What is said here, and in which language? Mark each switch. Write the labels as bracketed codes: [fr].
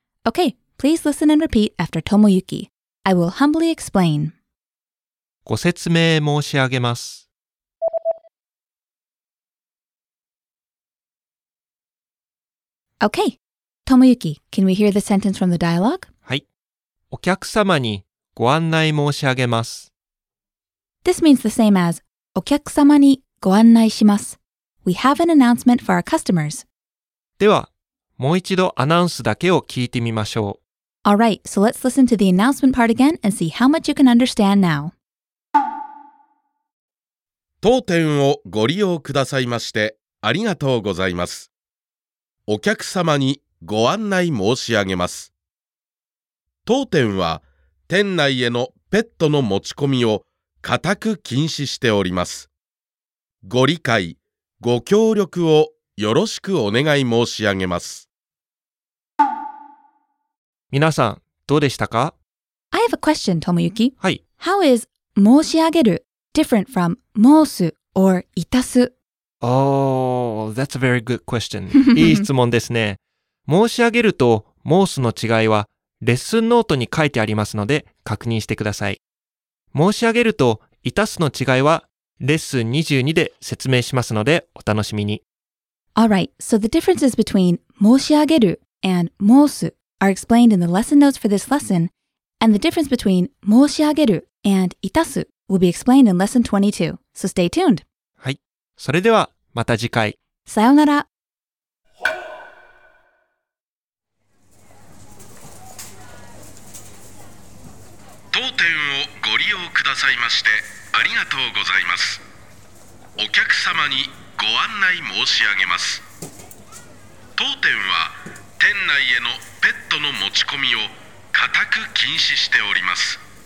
[en] Okay, please listen and repeat after Tomoyuki. I will humbly explain. [ja] ご説明申し上げます。 [en] Okay, Tomoyuki, can we hear the sentence from the dialogue? [ja] はい。お客様にご案内申し上げます。 [en] This means the same as [ja] お客様にご案内します。 [en] We have an announcement for our customers. [ja] では、もう一度アナウンスだけを聞いてみましょう。 [en] All right, so let's listen to the announcement part again and see how much you can understand now. [ja] 当店をご利用くださいましてありがとうございます。お客様にご案内申し上げます。当店は店内へのペットの持ち込みを固く禁止しております。ご理解、ご協力をよろしくお願い申し上げます。皆さん、どうでしたか? [en] I have a question, Tomoyuki. [ja] はい。 [en] How is 申し上げる different from 申す or いたす? Oh, that's a very good question. [ja] いい質問ですね。申し上げると申すの違いはレッスンノートに書いてありますので確認してください。申し上げるといたすの違いはレッスン22で説明しますのでお楽しみに。 [en] Alright, so the differences between 申し上げる and 申す are explained in the lesson notes for this lesson, and the difference between 申し上げる and いたす will be explained in lesson 22, so stay tuned! [ja] はい、それではまた次回。さようなら。当店をご利用くださいましてありがとうございます。お客様にご案内申し上げます。当店は店内へのペットの持ち込みを固く禁止しております。